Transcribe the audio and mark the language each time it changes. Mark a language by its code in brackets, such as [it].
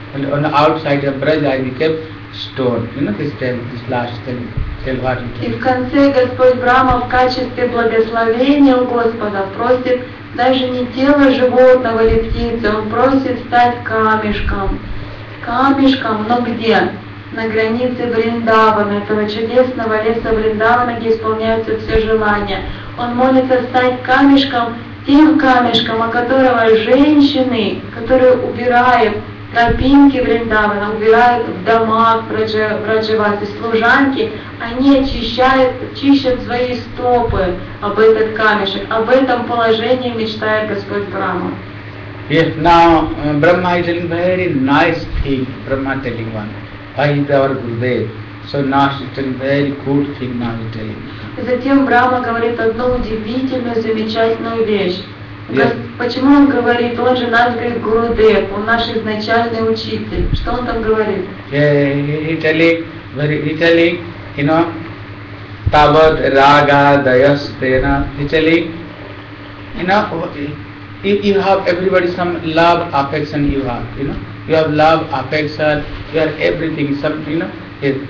[en] And on the outside of Braj, I became stone. You know this last thing. Tell what it is. [ru] И в конце Господь Брама в качестве благословения у Господа просит даже не тело животного или птицы, он просит стать камешком. Камешком, но где? На границе Вриндавана, этого чудесного леса Вриндавана, где исполняются все желания. Он молится стать камешком, тем камешком, о которого женщины, которые убирают тропинки Вриндавана, убирают в домах Враджавати, служанки, они чищат свои стопы об этот камешек. Об этом положении мечтает Господь Брама. [en] Yes, now Brahma is telling very nice thing. Brahma telling one. I is our Gurudev. So now she is telling very good thing now she is telling. [ru] Затем Брама говорит одну удивительную, замечательную вещь. [en] Yes. [ru] Почему он говорит, он же наш говорит, Гурудев, он наш изначальный учитель. Что он там говорит? [en] He is telling, you know, Tavad Raga Dayastena. He is telling, you know, you have everybody some love, affection you have, you know. You have love, affection, you have everything, something, you know. Yes.